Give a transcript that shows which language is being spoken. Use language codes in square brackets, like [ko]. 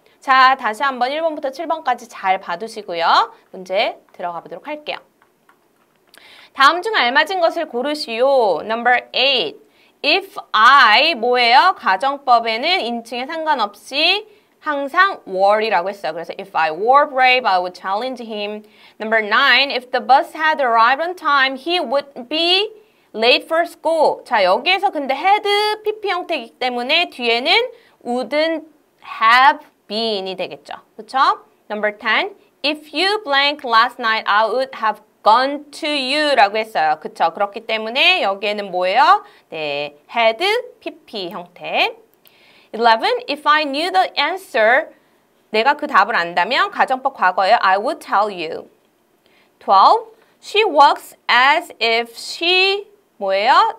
[ko] 자, 다시 한번 1번부터 7번까지 잘 봐두시고요. 문제 들어가 보도록 할게요. 다음 중 알맞은 것을 고르시오. [en] Number 8. If I [ko] 뭐예요? 가정법에는 인칭에 상관없이 항상 were이라고 했어요. 그래서 [en] if I were brave, I would challenge him. Number 9. If the bus had arrived on time, he would be late for school. [ko] 자, 여기에서 근데 had PP 형태이기 때문에 뒤에는 [en] wouldn't have been [ko] 이 되겠죠. 그쵸? Number 10. [en] If you blank last night, I would have gone to you [ko] 라고 했어요. 그쵸? 그렇기 때문에 여기에는 뭐예요? 네, had PP 형태. 11. [en] If I knew the answer, [ko] 내가 그 답을 안다면 가정법 과거에 [en] I would tell you. 12. She walks as if she [ko] 뭐예요?